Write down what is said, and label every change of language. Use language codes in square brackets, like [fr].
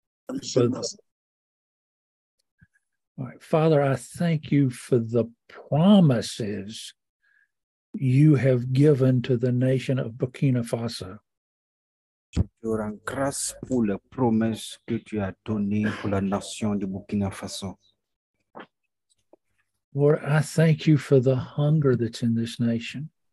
[en] All right. Father, I thank you for the promises you have given to the nation of Burkina Faso. [fr] Je te rends grâce pour les promesses que tu as données pour la nation de Burkina Faso. [en] Lord, I thank you for the hunger that's in this nation.